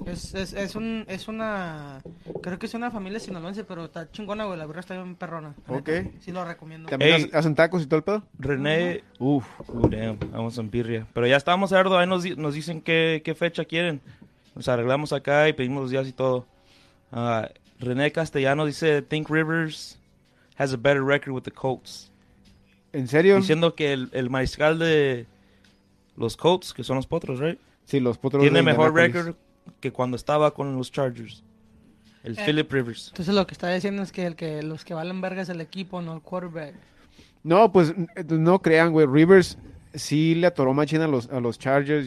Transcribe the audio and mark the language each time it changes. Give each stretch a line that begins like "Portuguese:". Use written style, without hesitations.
Spanish: Es una... Creo que es una familia sinaloense, pero está chingona, güey. La birria está bien perrona. Ok. Sí, lo recomiendo. ¿También hacen tacos y todo el pedo? René. Damn. Vamos en birria. Pero ya estamos, Erdo. Ahí nos dicen qué fecha quieren. Nos arreglamos acá y pedimos los días y todo.
English: René Castellano
Spanish: dice,
English: Think Rivers has a better record with the Colts.
Spanish: ¿En serio? Diciendo que el mariscal de los Colts, que son los potros,
English: right?
Spanish: Sí, los potros. Tiene mejor record que cuando estaba con los Chargers. El Philip Rivers. Entonces lo que está diciendo es que los que valen verga es el equipo, no el quarterback. No, pues no crean, güey. Rivers sí le atoró machín a los Chargers.